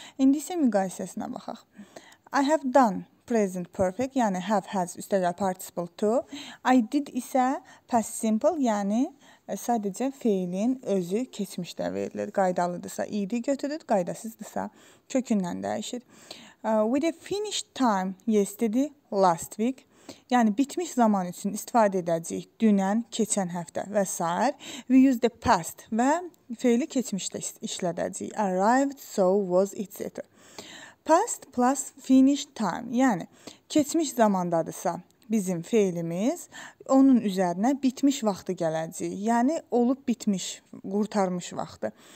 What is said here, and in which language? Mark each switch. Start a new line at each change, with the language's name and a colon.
Azerbaijani: İndi isə müqayisəsinə baxaq.
English: I have done present perfect, yəni have, has, üstəlik participle to. I did
Azerbaijani: isə past simple, yəni sadəcə feilin özü keçmişdə verilir. Qaydalıdırsa ed götürür, qaydasızdırsa kökündən dəyişir.
English: With a finished time yesterday, last week.
Azerbaijani: Yəni bitmiş zaman üçün istifadə edəcəyik dünən, keçən həftə və s.
English: We use the past
Azerbaijani: və feili keçmişdə işlədəcəyik.
English: Arrived, so, was, etc. Past plus finished time,
Azerbaijani: yəni keçmiş zamandadırsa bizim feilimiz, onun üzərinə bitmiş vaxtı gələcək, yəni olub bitmiş, qurtarmış vaxtı.